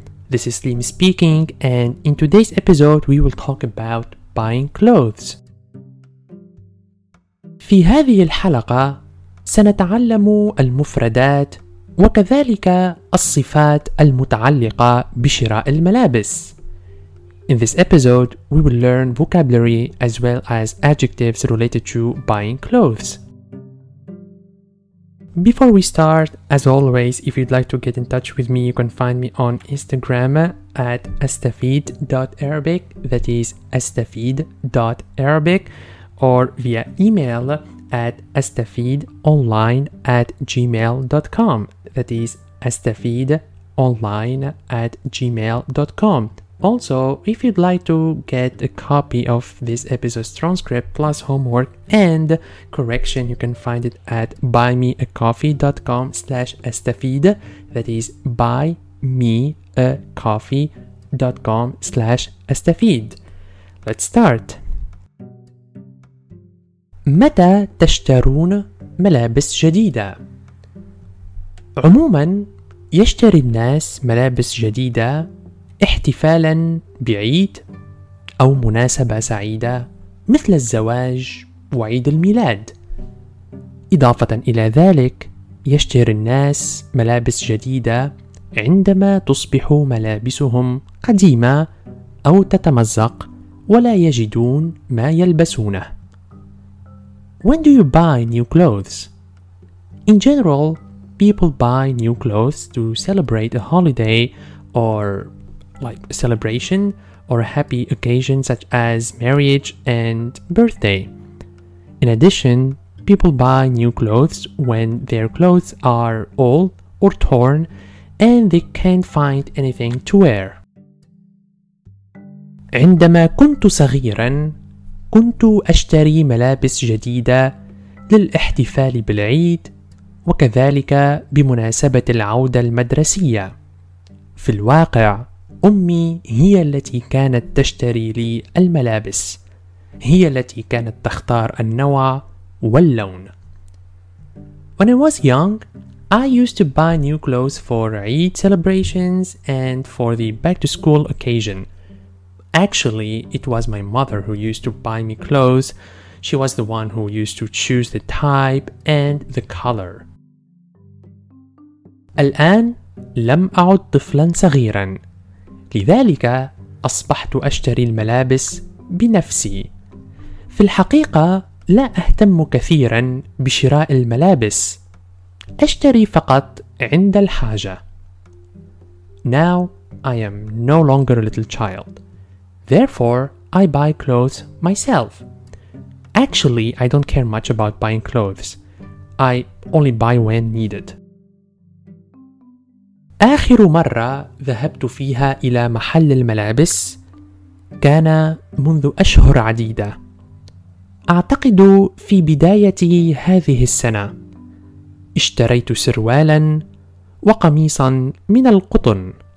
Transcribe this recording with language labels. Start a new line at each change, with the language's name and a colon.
English: This is Sleem speaking, and in today's episode we will talk about buying clothes.
Arabic: في هذه الحلقة سنتعلم المفردات وكذلك الصفات المتعلقة بشراء الملابس.
English: In this episode, we will learn vocabulary as well as adjectives related to buying clothes. Before we start, as always, if you'd like to get in touch with me, you can find me on Instagram at astafid.arabic, that is astafid.arabic, or via email at astafidonline@gmail.com, that is astafidonline@gmail.com. Also, if you'd like to get a copy of this episode's transcript plus homework and correction, you can find it at buymeacoffee.com/astafid, that is buymeacoffee.com/astafid. Let's start.
Arabic: متى تشترون ملابس جديدة؟ عموما يشتري الناس ملابس جديدة احتفالا بعيد أو مناسبة سعيدة مثل الزواج وعيد الميلاد. إضافة إلى ذلك يشتري الناس ملابس جديدة عندما تصبح ملابسهم قديمة أو تتمزق ولا يجدون ما يلبسونه.
English: When do you buy new clothes? In general, people buy new clothes to celebrate a holiday or like a celebration or a happy occasion such as marriage and birthday. In addition, people buy new clothes when their clothes are old or torn and they can't find anything to wear.
Arabic: عندما كنت صغيرا كنت أشتري ملابس جديدة للاحتفال بالعيد وكذلك بمناسبة العودة المدرسية. في الواقع أمي هي التي كانت تشتري لي الملابس، هي التي كانت تختار النوع واللون.
English: When I was young, I used to buy new clothes for Eid celebrations and for the back to school occasion. Actually, it was my mother who used to buy me clothes. She was the one who used to choose the type and the color.
Arabic: الآن لم أعد طفلا صغيرا، لذلك أصبحت أشتري الملابس بنفسي. في الحقيقة لا أهتم كثيرا بشراء الملابس، أشتري فقط عند الحاجة.
English: Now I am no longer a little child. Therefore, I buy clothes myself. Actually, I don't care much about buying clothes. I only buy when needed.
Arabic: آخر مرة ذهبت فيها إلى محل الملابس كان منذ أشهر عديدة. أعتقد في بداية هذه السنة. اشتريت سروالاً وقميصاً من القطن.